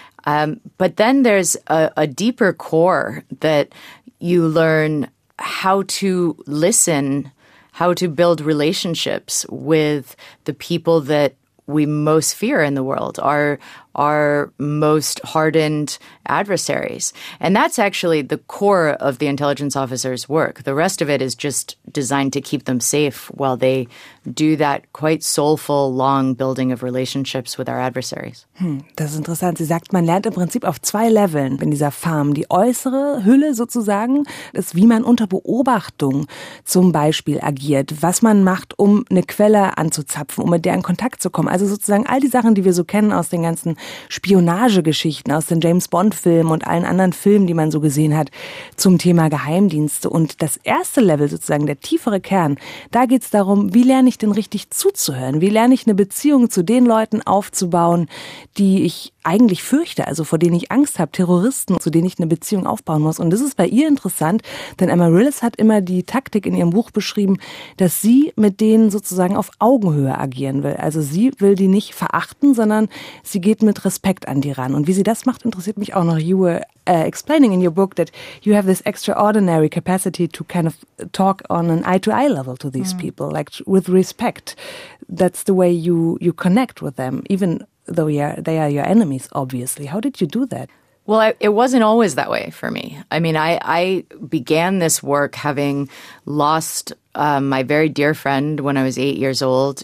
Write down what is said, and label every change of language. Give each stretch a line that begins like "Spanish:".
English: But then there's a deeper core that you learn how to listen, how to build relationships with the people that we most fear in the world, our most hardened adversaries. And that's actually the core of the intelligence officer's work. The rest of it is just designed to keep them safe while they do that quite soulful, long building of relationships with our adversaries.
German: Das ist interessant. Sie sagt, man lernt im Prinzip auf 2 Leveln in dieser Farm. Die äußere Hülle sozusagen ist, wie man unter Beobachtung zum Beispiel agiert, was man macht, um eine Quelle anzuzapfen, um mit der in Kontakt zu kommen. Also sozusagen all die Sachen, die wir so kennen aus den ganzen Spionagegeschichten aus den James Bond Filmen und allen anderen Filmen, die man so gesehen hat zum Thema Geheimdienste. Und das erste Level sozusagen, der tiefere Kern, da geht's darum, wie lerne ich denn richtig zuzuhören? Wie lerne ich eine Beziehung zu den Leuten aufzubauen, die ich eigentlich fürchte, also vor denen ich Angst habe, Terroristen, zu denen ich eine Beziehung aufbauen muss. Und das ist bei ihr interessant, denn Amaryllis hat immer die Taktik in ihrem Buch beschrieben, dass sie mit denen sozusagen auf Augenhöhe agieren will. Also sie will die nicht verachten, sondern sie geht mit Respekt an die ran. Und wie sie das macht, interessiert mich auch noch.
English: You were explaining in your book that you have this extraordinary capacity to kind of talk on an eye-to-eye level to these people, like with respect. That's the way you connect with them, even though they are your enemies, obviously. How did you do that? Well, it wasn't always that way for me. I mean, I began this work having lost my very dear friend when I was 8 years old.